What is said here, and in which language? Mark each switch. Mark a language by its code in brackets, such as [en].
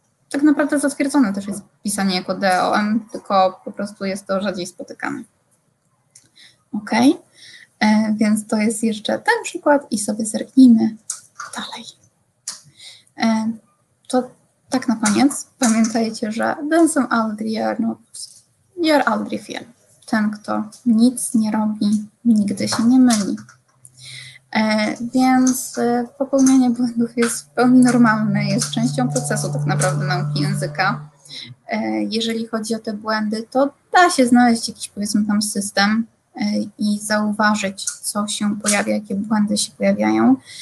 [pl] Tak naprawdę zatwierdzone też jest pisanie jako DOM, tylko po prostu jest to rzadziej spotykane. Okej. Okay. Więc to jest jeszcze ten przykład i sobie zerknijmy dalej. To tak na koniec. Pamiętaj, wiecie, że [sv] den som aldrig gör något, gör aldrig fel. [pl] Ten, kto nic nie robi, nigdy się nie myli. Więc popełnianie błędów jest w pełni normalne, jest częścią procesu tak naprawdę nauki języka. Jeżeli chodzi o te błędy, to da się znaleźć jakiś, powiedzmy, tam system i zauważyć, co się pojawia, jakie błędy się pojawiają.